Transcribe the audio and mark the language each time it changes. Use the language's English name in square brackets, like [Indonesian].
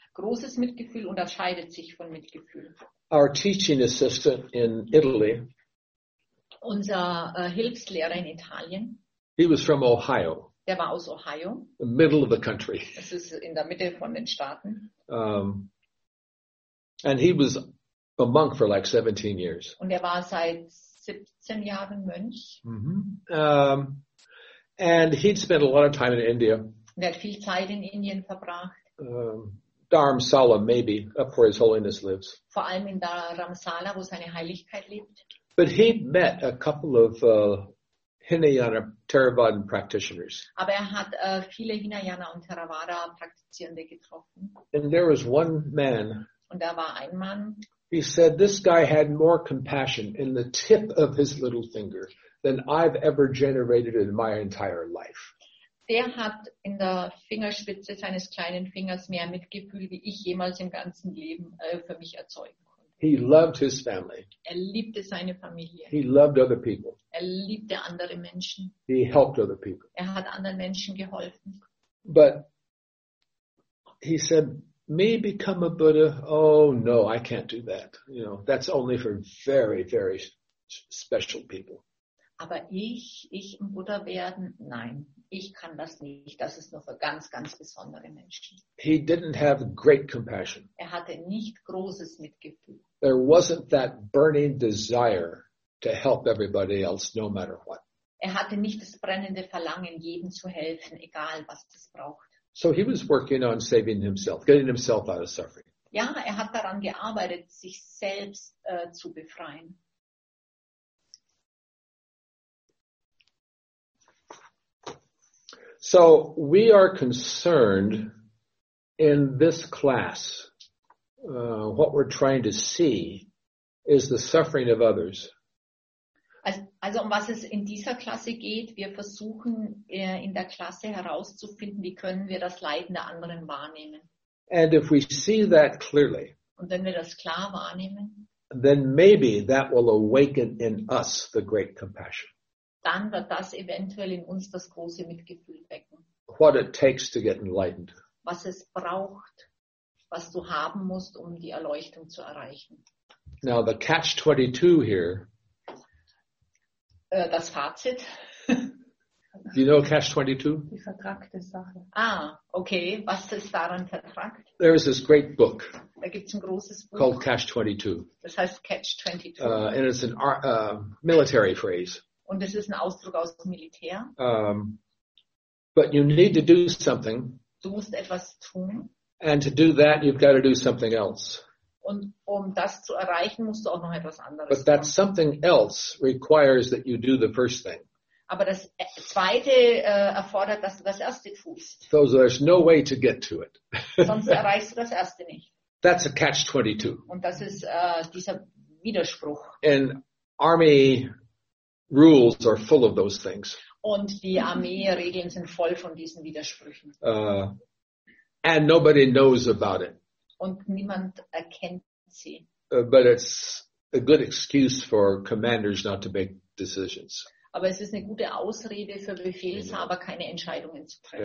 [German] Großes Mitgefühl unterscheidet sich von Mitgefühl. [English] Our teaching assistant in Italy. [German] Unser Hilfslehrer in Italien. [English] He was from Ohio. [German] Der war aus Ohio. [English] The middle of the country. [German] Es ist in der Mitte von den Staaten. [English] And he was a monk for like 17 years. [German] Und er war seit 17 Jahren Mönch. Mm-hmm. [English] And he'd spent a lot of time in India. [German] Er hat viel Zeit in Indien verbracht. [English] Dharamsala, maybe, up where His Holiness lives. [German] Vor allem in Dharamsala, wo seine Heiligkeit lebt. [English] But he met a couple of Hinayana Theravadan practitioners. [German] Aber er hat viele Hinayana und Theravada Praktizierende getroffen. [English] And there was one man. [German] Und da war ein Mann. [English] He said this guy had more compassion in the tip of his little finger than I've ever generated in my entire life. [German] Der hat in der Fingerspitze seines kleinen Fingers mehr Mitgefühl, wie ich jemals im ganzen Leben für mich erzeugen konnte. [English] He loved his family. [German] Er liebte seine Familie. [English] He loved other people. [German] Er liebte andere Menschen. [English] He helped other people. [German] Er hat anderen Menschen geholfen. [English] But he said, me become a Buddha, oh no, I can't do that. You know, that's only for very, very special people. [German] Aber ich ein Buddha werden, nein. Ich kann das nicht. Das ist nur für ganz, ganz besondere Menschen. [English] He didn't have great compassion. [German] Er hatte nicht großes Mitgefühl. [English] There wasn't that burning desire to help everybody else, no matter what. [German] Er hatte nicht das brennende Verlangen, jedem zu helfen, egal was das braucht. [English] So he was working on saving himself, getting himself out of suffering. [German] Ja, er hat daran gearbeitet, sich selbst zu befreien. [English] So we are concerned in this class, what we're trying to see is the suffering of others. [German] Also um was es in dieser Klasse geht, wir versuchen in der Klasse herauszufinden, wie können wir das Leiden der anderen wahrnehmen. [English] And if we see that clearly, [German] und wenn wir das klar wahrnehmen, [English] then maybe that will awaken in us the great compassion. [German] Dann wird das eventuell in uns das große Mitgefühl wecken. [English] What it takes to get enlightened. [German] Was es braucht, was du haben musst, um die Erleuchtung zu erreichen. [English] Now the catch 22 here. [German] Das Fazit. [English] You know catch 22? [German] Die vertrackte Sache. Ah, okay. Was ist daran vertrackt? [English] There is this great book. [German] Da gibt's ein großes Buch. [English] Called catch 22. [German] Das heißt catch 22. [English] And it's an military phrase. [German] Und es ist ein Ausdruck aus dem Militär. [English] But you need to do something. [German] Du musst etwas tun. [English] And to do that, you've got to do something else. [German] Und um das zu erreichen, musst du auch noch etwas anderes [English] but That something else requires that you do the first thing. [German] Aber das Zweite erfordert, dass du das Erste tust. [English] So there's no way to get to it. [German] Sonst erreichst du das Erste nicht. [English] That's a catch 22. [German] Und das ist dieser Widerspruch. [English] In Army rules are full of those things. [German] Und die Armee-Regeln sind voll von diesen Widersprüchen. [English] And nobody knows about it. [German] Und niemand erkennt sie. [English] But it's a good excuse for commanders not to make decisions. [German] Aber es ist eine gute Ausrede für Befehlshaber, keine Entscheidungen zu treffen.